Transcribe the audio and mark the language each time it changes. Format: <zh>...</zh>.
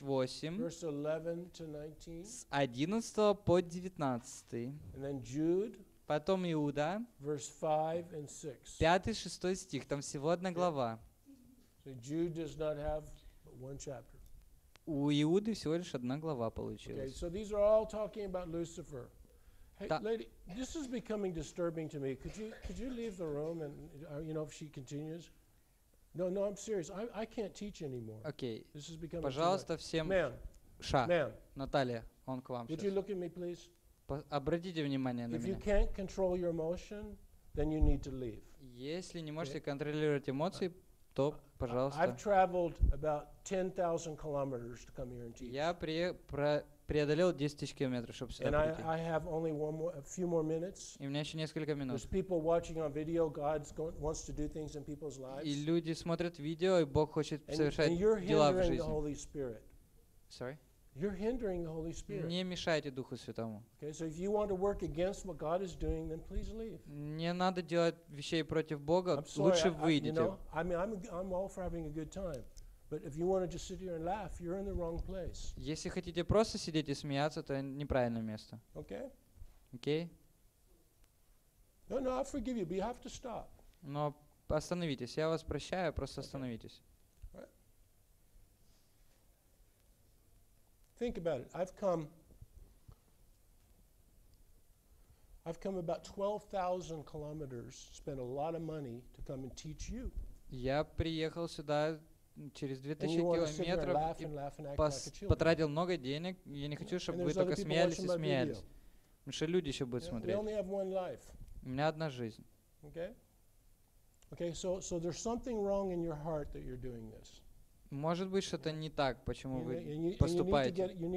<en>Verse 11-19.</en> <ru>С 11 по 19.</ru> <en>And then Jude.</en> <ru>Потом Иуда,</ru> <en>verse 5 and 6.</en> <ru>5-6 стих, там всего одна глава.</ru> <en>So Jude does not have one chapter.</en> <ru>У Иуды всего лишь одна глава получилась.</ru> <en>Okay, so these are all talking about Lucifer. Hey, lady, this is becoming disturbing to me. Could you leave the room and, you know, if she continues? No, I'm serious. I can't teach anymore. Okay. This is becoming.</en> <ru>Пожалуйста, всем.</ru> <en>Ma'am.</en> <ru>Наталья, он к вам.</ru> <en>Could you look at me, please?</en> <ru>Обратите внимание</ru> <en>if</en> <ru>на меня.</ru> <en>Emotion,</en> <ru>если не можете контролировать эмоции, то, пожалуйста.</ru> <en>I've traveled about 10,000 kilometers to come here and teach.</en> <ru>Я преодолел 10 тысяч километров, чтобы сюда прийти.</ru> <en>And I have only one more, a few more minutes.</en> <ru>И у меня еще несколько минут.</ru> <en>There's people watching on video. God wants to do things in people's lives.</en> <ru>И люди смотрят видео, и Бог хочет совершать дела в жизни.</ru> <en>And you're hindering the Holy Spirit. Sorry. You're hindering the Holy Spirit.</en> <ru>Не мешайте Духу Святому.</ru> <en>Okay, so if you want to work against what God is doing, then please leave.</en> <ru>Не надо делать вещей против Бога.</ru> <en>I'm sorry,</en> <ru>лучше выйдите.</ru> <en>You know, I mean, I'm all for having a good time, but if you want to just sit here and laugh, you're in the wrong place.</en> <ru>Если хотите просто сидеть и смеяться, то неправильное место.</ru> <en>Okay. Okay. No, I forgive you, but you have to stop.</en> <ru>Но остановитесь. Я вас прощаю, просто остановитесь.</ru> <en>Think about it. I've come about 12,000 kilometers, spent a lot of money to come and teach you.</en> <ru>Я приехал сюда через 2000 километров и потратил много денег. Я не хочу, чтобы вы только смеялись и смеялись. Потому что люди еще будут смотреть.</ru> <en>We only have one life.</en> <ru>У меня одна жизнь.</ru> <en>Okay? Okay, so there's something wrong in your heart that you're doing this.</en> <ru>Может быть, что-то не так, почему вы поступаете.</ru>